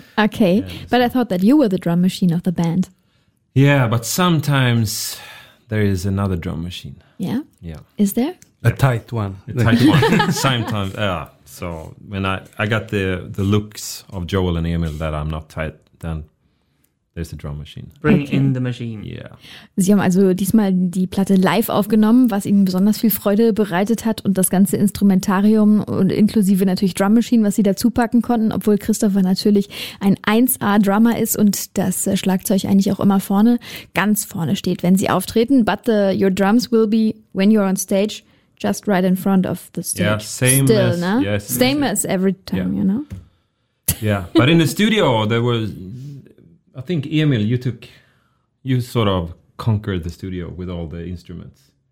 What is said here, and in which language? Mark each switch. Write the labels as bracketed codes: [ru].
[en] Okay, but I thought that you were the drum machine of the band. Yeah, but sometimes there is another drum machine. Yeah? Yeah. Is there? A tight one. A tight one. Sometimes, yeah. So when I got the looks of Joel and Emil that I'm not tight, then... there's the drum machine. Bring in the machine. Yeah. [de] Sie haben also diesmal die Platte live aufgenommen, was Ihnen besonders viel Freude bereitet hat und das ganze Instrumentarium und inklusive natürlich Drum Machine, was Sie dazu packen konnten, obwohl Christopher natürlich ein 1A-Drummer ist und das Schlagzeug eigentlich auch immer vorne, ganz vorne steht, wenn Sie auftreten. [en] But your drums will be, when you're on stage, just right in front of the stage. Yeah, same still, as... No? Yes, same as every time, you know? Yeah, but in the studio there was... I think, Emil, you sort of conquered the studio with all the instruments.